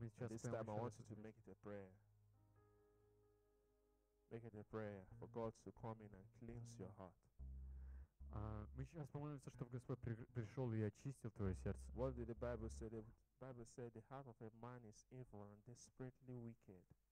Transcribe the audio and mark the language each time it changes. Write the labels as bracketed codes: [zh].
[en] This time I want you to make it a prayer. Make it a prayer for God to come in and cleanse your heart. [ru] Мы сейчас помолимся, чтобы Господь пришел и очистил твое сердце. [en] What did the Bible say? The Bible said the heart of a man is evil and desperately wicked.